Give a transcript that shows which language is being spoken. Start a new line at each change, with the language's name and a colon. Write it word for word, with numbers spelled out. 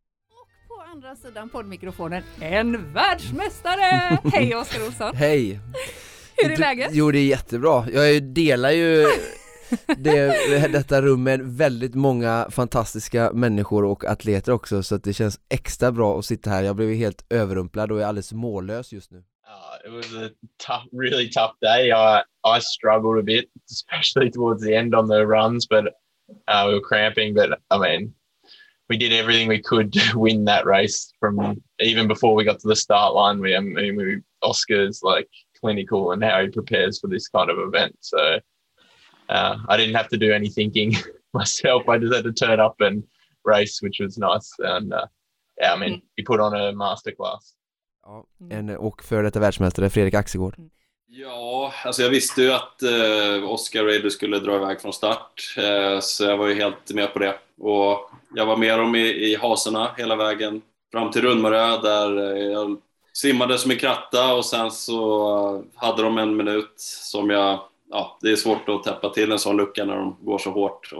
Swedish: Och på andra sidan poddmikrofonen, en världsmästare! Hej Oskar Olsson! Hej! Hur är du, läget? Jo, det är jättebra. Jag delar ju det, detta rum med väldigt många fantastiska människor och atleter också, så att det känns extra bra att sitta här. Jag blev helt överrumplad och är alldeles mållös just nu.
English: Uh, it was a tough, really tough day. I I struggled a bit, especially towards the end on the runs, but uh, we were cramping. But I mean, we did everything we could to win that race. From even before we got to the start line, we I mean, we, Oscar's like clinical and how he prepares for this kind of event. So uh, I didn't have to do any thinking myself. I just had to turn up and race, which was nice. And uh, yeah, I mean, he put on a masterclass.
Swedish: Ja, en, och för detta världsmästare Fredrik Axegård. Ja, alltså jag visste ju att eh, Oscar Raider skulle dra iväg från start, eh, så jag var ju helt med på det. Och jag var med dem i, i hasorna hela vägen fram till Rundmarö, där eh, jag simmade som en kratta, och sen så hade de en minut som jag, ja, det är svårt att täppa till en sån lucka när de går så hårt.